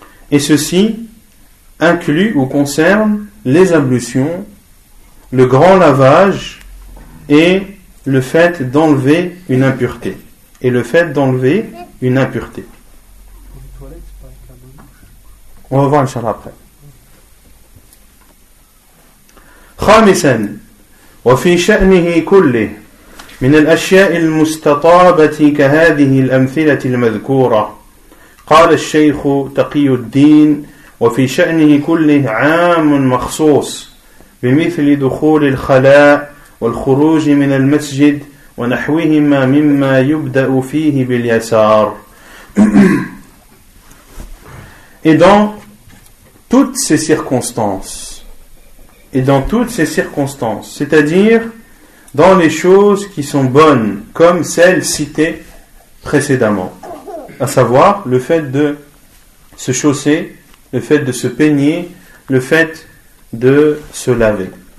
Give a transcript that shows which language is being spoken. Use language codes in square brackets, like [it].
[fr] Et ceci inclut ou concerne les ablutions, le grand lavage et le fait d'enlever une impureté. Et le fait d'enlever une impureté. On va voir Inch'Allah après. [ar] خامسا وفي شأنه كله من الأشياء المستطابة كهذه الأمثلة المذكورة قال الشيخ تقي الدين وفي شأنه كله عام مخصوص بمثل دخول الخلاء والخروج من المسجد ونحوهما مما يبدأ فيه باليسار. [fr] Et dans toutes ces circonstances, et dans toutes ces circonstances, c'est-à-dire dans les choses qui sont bonnes, comme celles citées précédemment, à savoir le fait de se chausser, le fait de se peigner, le fait de se laver.